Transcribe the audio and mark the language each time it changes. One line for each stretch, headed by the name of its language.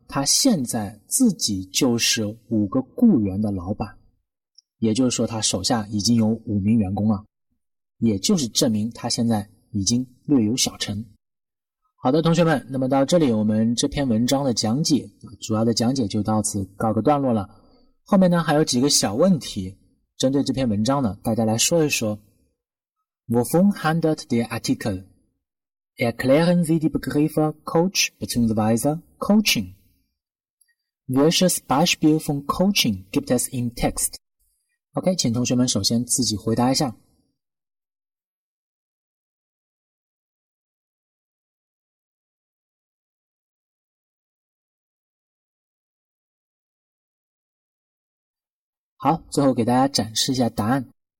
Chinese: 他现在自己就是五个雇员的老板，也就是说他手下已经有五名员工了，也就是证明他现在已经略有小成。好的，同学们，那么到这里我们这篇文章的讲解，主要的讲解就到此告个段落了。后面呢还有几个小问题针对这篇文章呢，大家来说一说。
German: Wovon handelt der Artikel? Erklären Sie die Begriffe Coach bzw. Coaching. Welches Beispiel von Coaching gibt es im Text?
Chinese: OK， 请同学们首先自己回答一下。好，最后给大家展示一下答案。